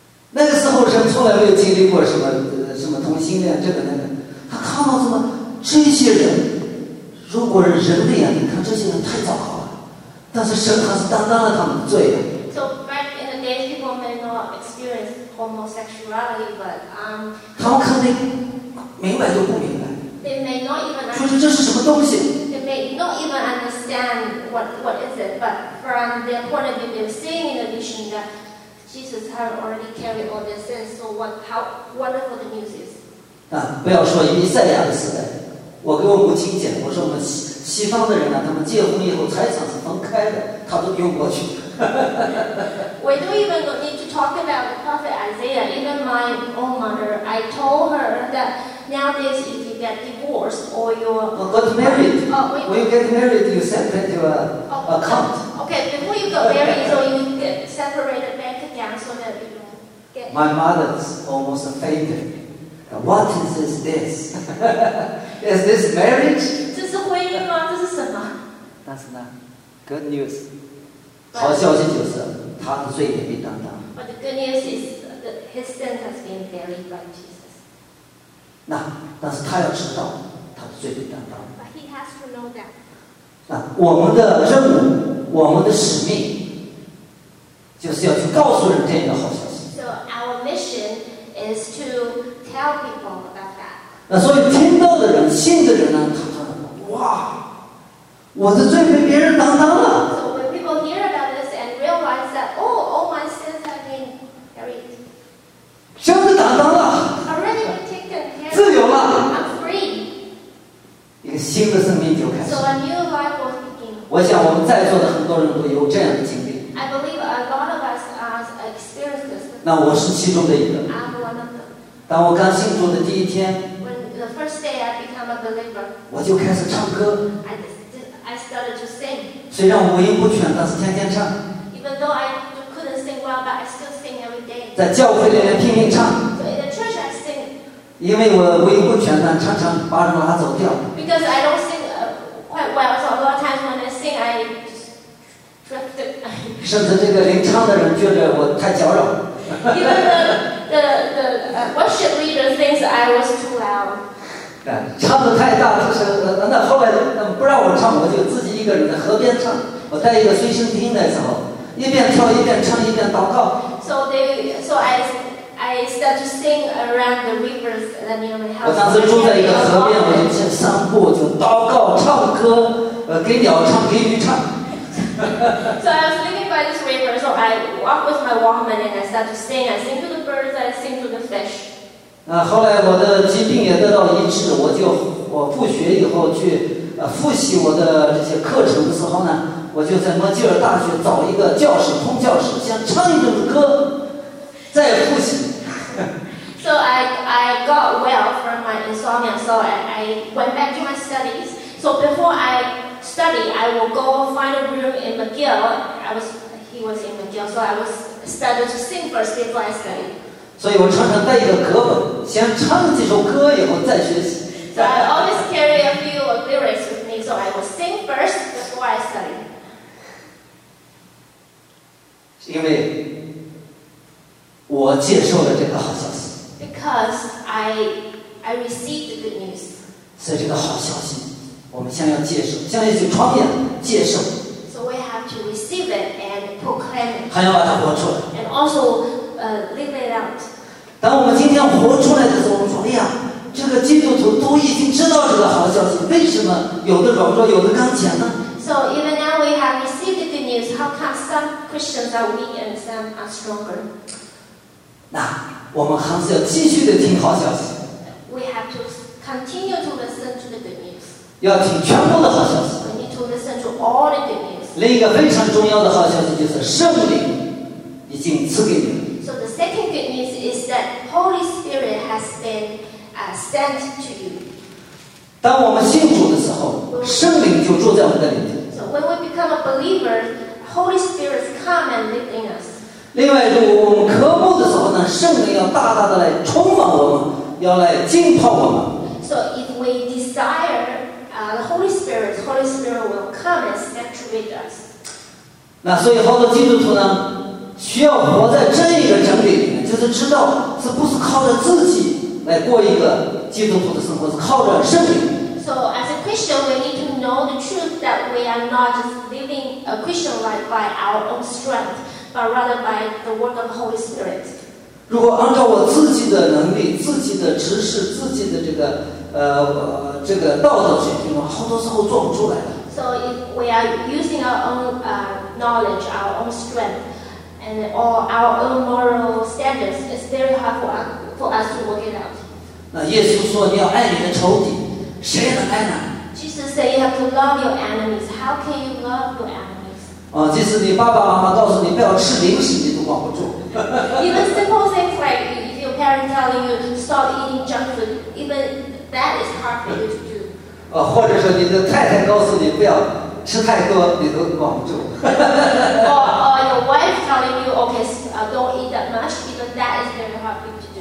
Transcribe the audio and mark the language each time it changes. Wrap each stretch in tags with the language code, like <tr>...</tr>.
<zh>那个时候人从来没有经历过什么什么同性恋这个那个，他看到什么这些人，如果人的眼睛看这些人太糟糕了，但是神还是担当了他们的罪的。</zh> <en>So back in the days, people may not experience homosexuality, but</en> <zh>他们看的明白都不明白。</zh> <en>They may not even understand.</en> <zh>说是这是什么东西</zh> <en>？They may not even understand what is it. But from their point of view, they're seeing in the vision that Jesus has already carried all their sins. So what? How wonderful the news is!</en> <zh>啊，不要说弥赛亚的时代。我跟我母亲讲，我说我们西方的人呢，他们结婚以后财产是分开的，他都用过去。</zh> <en>We don't even need to talk about the prophet Isaiah. Even my own mother, I told her that nowadays if you get divorced or your got married, when you get married, you separate your account. Okay, before you get married, so you get separated bank account so that you don't get. My mother's almost fainted. What is this? Is this marriage?</en> <zh>这是婚姻吗？这是什么？但是呢 ，</zh> <en>good news，</en> <zh>好消息就是他的罪也被担当。</zh> <en>But the good news is that his sin has been buried by Jesus.</en> <zh>那但是他要知道他的罪被担当。</zh> <en>But he has to know that.</en> <zh>那我们的任务，我们的使命，就是要去告诉人这样的好消息。</zh> <en>So our mission is to tell people.</en> <zh>那所以听到的人信的人呢他说哇我的罪被别人担当了</zh> <en>So when people hear about this and realize that oh all my sins have been carried</en> <zh>全部担当了</zh> <en>already been taken care</en> <zh>自由了</zh> <en>I'm free</en> <zh>一个新的生命就开始</zh> <en>So a new life was beginning</en> <zh>我想我们在座的很多人都有这样的经历</zh> <en>I believe a lot of us have experienced this</en> <zh>那我是其中的一个</zh> <en>I'm one of them</en> <zh>当我刚信主的第一天</zh> <en>The first day I become a believer, I started to sing.</en> <zh>虽然五音不全，但是天天唱。</zh> <en>Even though I couldn't sing well, but I still sing every day.</en> <zh>在教会里面拼命唱。</zh> <en>So in the church I sing.</en> <zh>因为我五音不全，但常常把人拉走掉。</zh> <en>Because I don't sing quite well, so a lot of times when I sing, I drift.</en> <zh>甚至这个领唱的人觉得我太搅扰。</zh> <en>Even the worship leader thinks I was too loud.</en> <zh>唱得太大就是那后来不让我唱我就自己一个人在河边唱我带一个随身听的时候一边跳一边唱一边祷告</zh> <en>So I start to sing around the rivers that nearly helped me</en> <zh>我当时住在一个河边我就先散步就祷告唱歌给鸟唱给鱼唱</zh> <en>So I was living by this river so I walk with my walkman and I start to sing I sing to the birds I sing to the fish</en> <zh>后来我的疾病也得到医治，我复学以后去复习我的这些课程的时候呢，我就在墨吉尔大学找一个教室，空教室，先唱一阵歌，再复习。</zh> <en>So I got well from my insomnia, so I went back to my studies. So before I study, I will go find a room in McGill. He was in McGill, so I was started to sing first before I study.</en> <zh>所以我常常带一个歌本，先唱几首歌，以后再学习。</zh> <en>So I always carry a few lyrics with me, so I will sing first before I study.</en> <zh>因为我接受了这个好消息。</zh> <en>Because I received the good news.</en> <zh>所以这个好消息，我们先要接受，先要去创业接受。</zh> <en>So we have to receive it and proclaim it.</en> <zh>还要把它活出来。</zh> <en>And also. Live it out.</en> <zh>当我们今天活出来的时候，我们说：“哎呀，这个基督徒都已经知道这个好消息，为什么有的软弱，有的刚强呢</zh> <en>？”So even now we have received the good news. How come some Christians are weak and some are stronger?</en> <zh>那我们还是要继续的听好消息。</zh> <en>We have to continue to listen to the good news.</en> <zh>要听全部的好消息。</zh> <en>We need to listen to all the good news.</en> <zh>另一个非常重要的好消息就是圣灵已经赐给你们。</zh> <en>So the second good news is that Holy Spirit has been sent to you.</en> <zh>当我们信主的时候，圣灵就住在我们的里面。</zh> <en>So when we become a believer, Holy Spirit come and live in us.</en> <zh>另外，就我们渴慕的时候呢，圣灵要大大的来充满我们，要来浸泡我们。</zh> <en>So if we desire the Holy Spirit will come and saturate us.</en> <zh>那所以好多基督徒呢？需要活在这一个真理里面，就是知道是不是靠着自己来过一个基督徒的生活，是靠着圣灵。</zh> <en>So as a Christian, Christian, we need to know the truth that we are not just living a Christian life by our own strength, but rather by the work of the Holy Spirit.</en> <zh>如果按照我自己的能力、自己的知识、自己的这个这个道德水平，好多时候做不出来的。</zh> <en>So if we are using our own knowledge, our own strength, and or our own moral standards, it's very hard for us to work it out.</en> <zh>那耶稣说你要爱你的仇敌，谁能爱呢</zh> <en>？Jesus said you have to love your enemies. How can you love your enemies?</en> <zh>啊，即使你爸爸妈妈告诉你不要吃零食，你都管不住。</zh> <en>Even simple things like if your parents telling you to stop eating junk food, even that is hard for you to do.</en> <zh>或者说你的太太告诉你不要吃太多，你都管不住。</zh> <en>or your wife telling you, okay, don't eat that much, even that is very hard for you to do.</en>